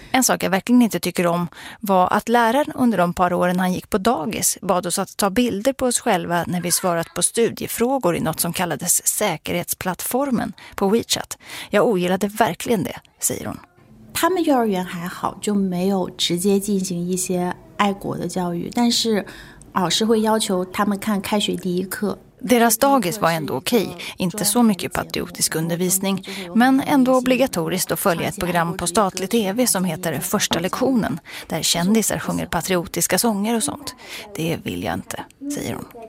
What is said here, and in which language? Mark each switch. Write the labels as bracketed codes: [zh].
[sv] En sak jag verkligen inte tycker om var att läraren under de par åren han gick på dagis bad oss att ta bilder på oss själva när vi svarat på studiefrågor i något som kallades säkerhetsplattformen på WeChat. Jag ogillade verkligen det, säger hon. [zh] 他们幼儿园还好，就没有直接进行一些爱国的教育，但是老师会要求他们看开学第一课。 [sv] Deras dagis var ändå okej, inte så mycket patriotisk undervisning, men ändå obligatoriskt att följa ett program på statlig tv som heter Första lektionen, där kändisar sjunger patriotiska sånger och sånt. Det vill jag inte, säger hon.